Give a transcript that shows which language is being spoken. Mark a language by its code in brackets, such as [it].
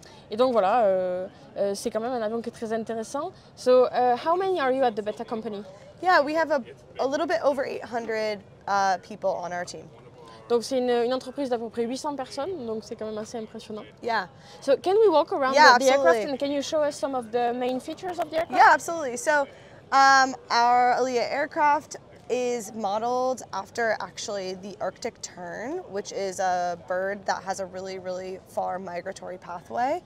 [fr] Et donc voilà, c'est quand même un avion qui est très intéressant. [en] So, how many are you at the Beta company? Yeah, we have a little bit over 800 people on our team. [fr] Donc c'est une entreprise d'à peu près 800 personnes, donc c'est quand même assez impressionnant. [en] Yeah. So can we walk around the aircraft and can you show us some of the main features of the aircraft? Yeah, absolutely. So our Aaliyah aircraft is modeled after actually the Arctic tern, which is a bird that has a really, really far migratory pathway.